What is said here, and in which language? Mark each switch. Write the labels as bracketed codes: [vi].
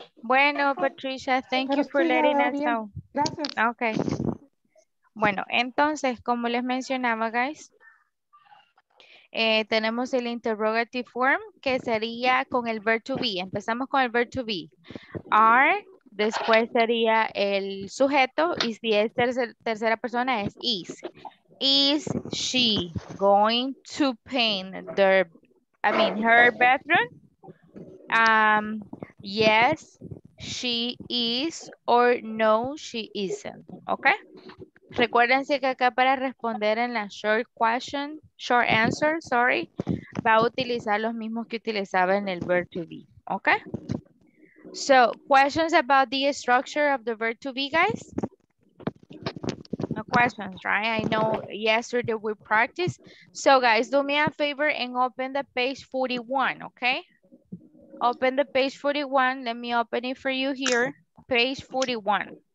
[en] Bueno, Patricia, thank you for letting us know. [es] Gracias. [en] Okay. [es] Bueno, entonces, como les mencionaba, guys, tenemos el interrogative form, que sería con el verb to be. Empezamos con el verb to be. Are, después sería el sujeto, y si es tercera persona es [en] is she going to paint her bedroom? Yes, she is, or no, she isn't. [es] Okay, recuérdense que acá para responder en la short answer, va a utilizar los mismos que utilizaba en el verb to be. [en] Okay. So, questions about the structure of the verb to be, guys? No questions, right? I know yesterday we practiced. So, guys, do me a favor and open the page 41, okay? Open the page 41. Let me open it for you here. Page 41.